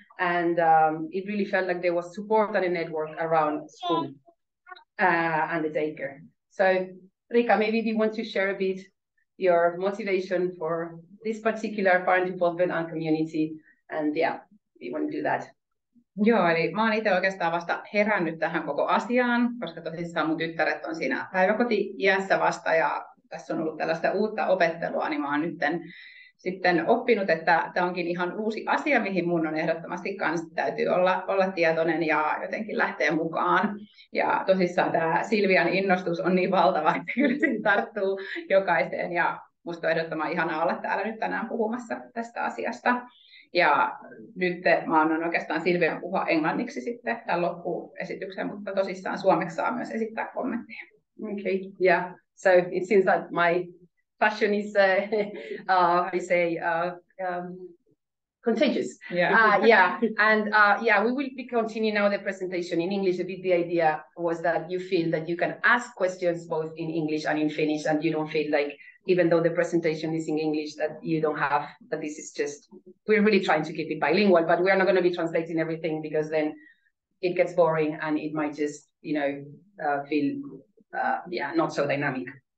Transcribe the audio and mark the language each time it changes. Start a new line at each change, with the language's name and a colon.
English: And it really felt like there was support and a network around school and the daycare. So Riika, maybe you want to share a bit your motivation for this particular parent involvement and community. And yeah, we want to do that.
Finnish: Joo, eli mä oon itse oikeastaan vasta herännyt tähän koko asiaan, koska tosissaan mun tyttäret on siinä päiväkoti-iässä vasta ja tässä on ollut tällaista uutta opettelua, niin mä oon nytten sitten oppinut, että tämä onkin ihan uusi asia, mihin mun on ehdottomasti kanssa täytyy olla tietoinen ja jotenkin lähteä mukaan. Ja tosissaan tämä Silvian innostus on niin valtava, että kyllä se tarttuu jokaiseen ja musta on ehdottoman ihanaa olla täällä nyt tänään puhumassa tästä asiasta. Ja nyt mä annan oikeastaan Silvian puhua englanniksi sitten tämän loppuesityksen, mutta tosissaan suomeksi saa myös esittää kommentteja.
English: Okay, yeah. So it seems that my passion is, how you say, contagious. Yeah. And we will be continuing now the presentation in English. A bit the idea was that you feel that you can ask questions both in English and in Finnish, and you don't feel like, even though the presentation is in English, that you don't have, that this is just, we're really trying to keep it bilingual, but we're not going to be translating everything because then it gets boring and it might just, you know, feel, not so dynamic.